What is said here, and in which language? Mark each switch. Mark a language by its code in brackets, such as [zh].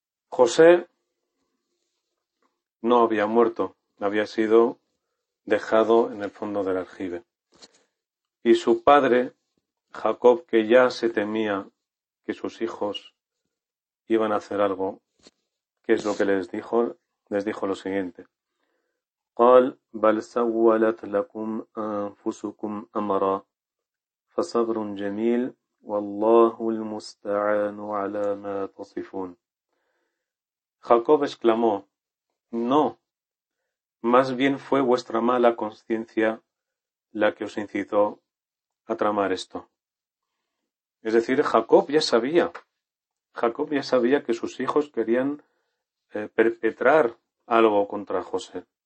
[es] José no había muerto. Había sido dejado en el fondo del aljibe. Y su padre, Jacob, que ya se temía que sus hijos iban a hacer algo, que es lo que les dijo lo siguiente. [ar] قال بل سولت لكم أنفسكم أمرا فصبر جميل والله المستعان على ما تصفون. [es] Jacob exclamó, no, más bien fue vuestra mala conciencia la que os incitó a tramar esto. Es decir, Jacob ya sabía que sus hijos querían perpetrar algo contra José.